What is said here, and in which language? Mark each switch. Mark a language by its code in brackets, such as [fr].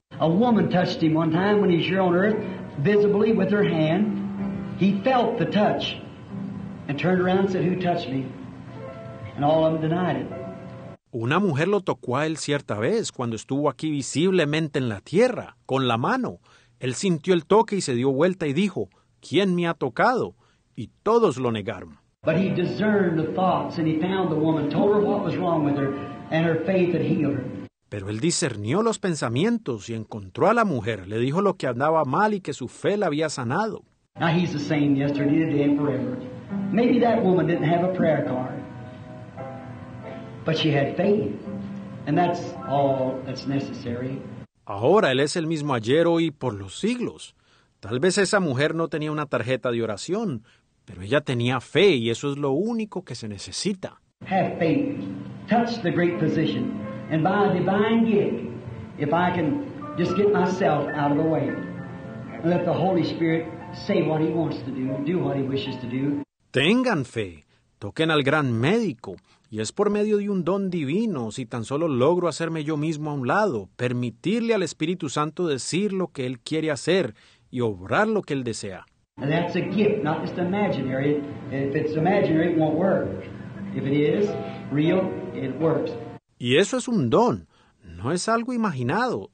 [en] A woman touched him one time when he was here on earth, visibly with her hand. He felt the touch and turned around and said, "Who touched me?" And all of them denied it. [es] Una mujer lo tocó a él cierta vez cuando estuvo aquí visiblemente en la tierra, con la mano. Él sintió el toque y se dio vuelta y dijo, ¿quién me ha tocado? Y todos lo negaron. [en] But he discerned the thoughts and he found the woman, told her what was wrong with her, and her faith had healed her. [es] Pero él discernió los pensamientos y encontró a la mujer, le dijo lo que andaba mal y que su fe la había sanado. [en] Now he's the same yesterday, today, and forever. Maybe that woman didn't have a prayer card. But she had faith, and that's all that's necessary. [es] Ahora él es el mismo ayer, hoy y por los siglos. Tal vez esa mujer no tenía una tarjeta de oración, pero ella tenía fe y eso es lo único que se necesita. [en] Have faith, touch the great physician, and by a divine gift, if I can just get myself out of the way, let the Holy Spirit say what He wants to do, do what He wishes to do. [es] Tengan fe, toquen al gran médico. Y es por medio de un don divino, si tan solo logro hacerme yo mismo a un lado, permitirle al Espíritu Santo decir lo que Él quiere hacer y obrar lo que Él desea. [en] That's a gift, not just imaginary. If it's imaginary, it won't work. If it is real, it works. [es] Y eso es un don, no es algo imaginado.